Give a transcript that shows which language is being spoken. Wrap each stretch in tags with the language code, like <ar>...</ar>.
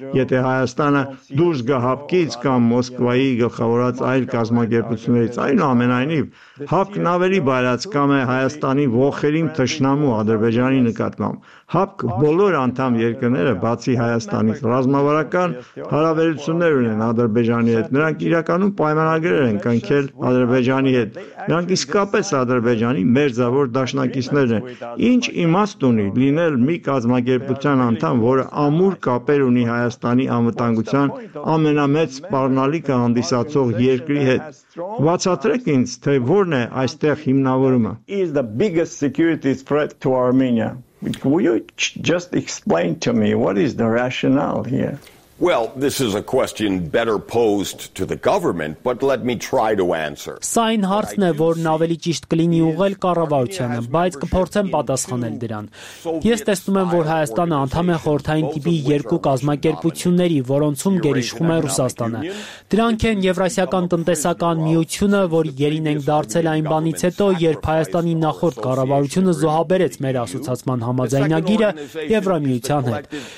<hy>եթե Հայաստանը դուրս գահապկի կամ Մոսկվայի գլխավորած այլ կազմակերպություններից, այնուամենայնիվ հապկն ավելի բարյացակամ է Հայաստանի ողերիմ թշնամու Ադրբեջանի նկատմամբ։ Հապկ բոլոր անդամ երկրները բացի Հայաստանից ռազմավարական հարաբերություններ ունեն Ադրբեջանի հետ, նրանք իրականում պայմանագրեր են կնքել Ադրբեջանի հետ, նրանք իսկապես Ադրբեջանի մերձավոր դաշնակիցներ են, ինչ իմաստ ունի լինել մի կազմակերպության անդամ, որը ամուր կապեր ունի Հայաստանի անվտանգության ամենամեծ սպառնալիքը հանդիսացող երկրի հետ։ Բացատրեք ինձ, թե որն է այստեղ հիմնավորումը։</hy> <en>Is the biggest security threat to Armenia? Will you just explain to me what is the rationale here? Well, this is a question better posed to the government, but let me try to answer.</en> <hy>Սայն հարցն է, որն ավելի ճիշտ կլինի ուղղել կառավարությանը, բայց կփորձեմ պատասխանել դրան։ Ես տեսնում եմ, որ Հայաստանը անդամ է խորհրդային տիպի երկու կազմակերպությունների, որոնցում գերիշխում է Ռուսաստանը։ Դրանք են Եվրասիական տնտեսական միությունը, որը գերին ենք դարձել այն բանից հետո, երբ Հայաստանի նախորդ կառավարությունը զոհաբերեց մեր ասոցացման համաձայնագիրը Եվրամիության հետ։</hy>